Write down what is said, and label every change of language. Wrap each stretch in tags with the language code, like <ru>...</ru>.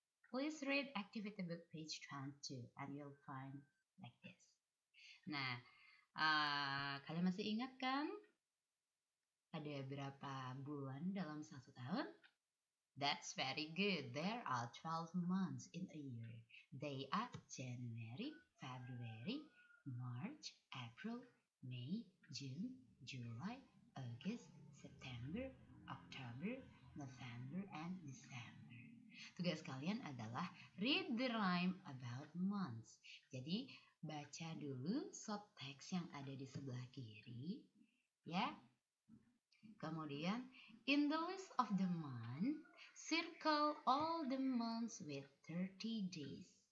<en>Please read activity book page 22 and you'll find like this.</en> <id>Nah, kalian masih ingat kan? Ada berapa bulan dalam satu tahun?</id> <en>That's very good. There are 12 months in a year. They are January, February, March, April, May, June, July, August, September, Oktober, November, and December.</en> <id>Tugas kalian adalah</id> <en>read the rhyme about months.</en> <id>Jadi, baca dulu</id> <en>short text</en> <id>yang ada di sebelah kiri. Ya. Kemudian,</id> <en>in the list of the month, circle all the months with 30 days.</en>